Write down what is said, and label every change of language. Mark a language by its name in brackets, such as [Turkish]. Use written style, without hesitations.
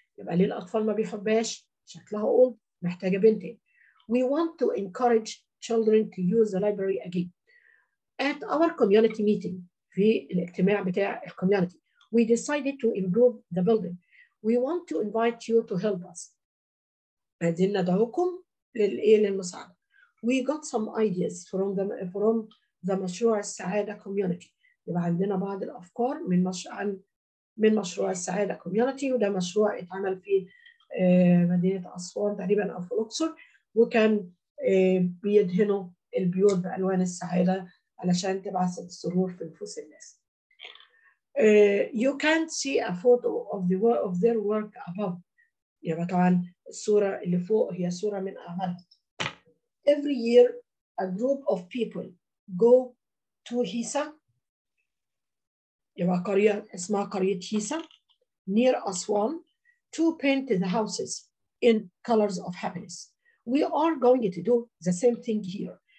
[Arabic] يبقى ليه الأطفال ما بيحبهاش؟ شكلها old, محتاجة painting. [English] We want to encourage children to use the library again. At our community meeting, [Arabic] في الاجتماع بتاع الكوميونتي, [English] we decided to improve the building. We want to invite you to help us. [Arabic] عايزين ندعوكم للإيه للمساعدة. [English] We got some ideas from the مشروع السعادة community. [Arabic] يبقى عندنا بعض الأفكار من مشروع السعادة community, وده مشروع اتعمل في مدينة أسوان تقريبا أو في الأقصر, وكان بيدهنوا البيوت بألوان السعادة علشان تبعث السرور في نفوس الناس. [English] You can't see a photo of the work of their work above. [Arabic] يبقى طبعا الصورة اللي فوق هي صورة من أعمالهم. [English] Every year a group of people go to Hisa. [Arabic] يبقى قرية اسمها قرية [English] Hisa near Aswan to paint the houses in colors of happiness. We are going to do the same thing here.